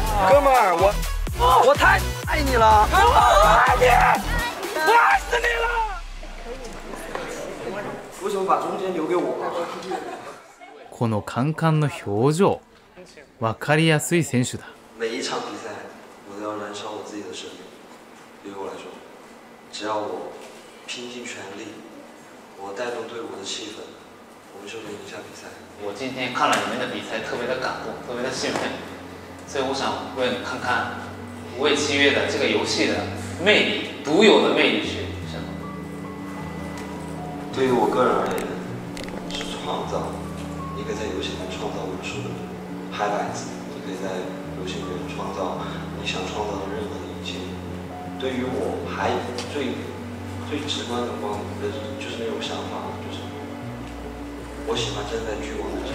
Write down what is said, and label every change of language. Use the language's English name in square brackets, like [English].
[Chinese] 哥们儿，我太爱你了！我爱你！我爱死你了！可以吗？为什么把中间留给我？ [Japanese] このカンカンの表情、わかりやすい選手だ。 [Chinese] 每一场比赛。要燃烧我自己的生命，对于我来说，只要我拼尽全力，我带动队伍的气氛，我们就能赢下比赛。我今天看了你们的比赛，特别的感动，特别的兴奋，所以我想问看看《无畏七月》的这个游戏的魅力，独有的魅力是什么？对于我个人而言，是创造一个在游戏里创造无数的 highlights， 你可以在游戏里面创造。你想创造的任何一切，对于我还最直观的光的就是那种想法，就是我喜欢站在巨王的肩